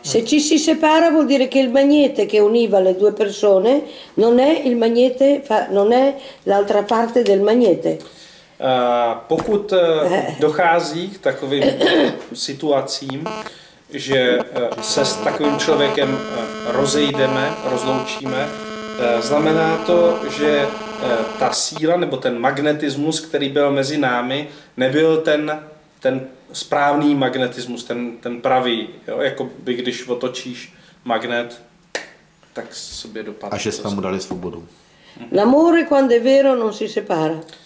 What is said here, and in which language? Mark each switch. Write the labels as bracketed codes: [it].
[it] Se ci si separa vuol dire che il magnete che univa le due persone non è il magnete, non è l'altra parte del magnete. [cs] Pokud dochází k takovým situacím, že se s takovým člověkem rozejdeme, rozloučíme, znamená to, že ta síla nebo ten magnetismus, který byl mezi námi, nebyl ten správný magnetismus, ten pravý, jo? Jako by když otočíš magnet, tak sobě dopadne. A že jsme mu dali svobodu. [it] L'amore quando è vero non si separa.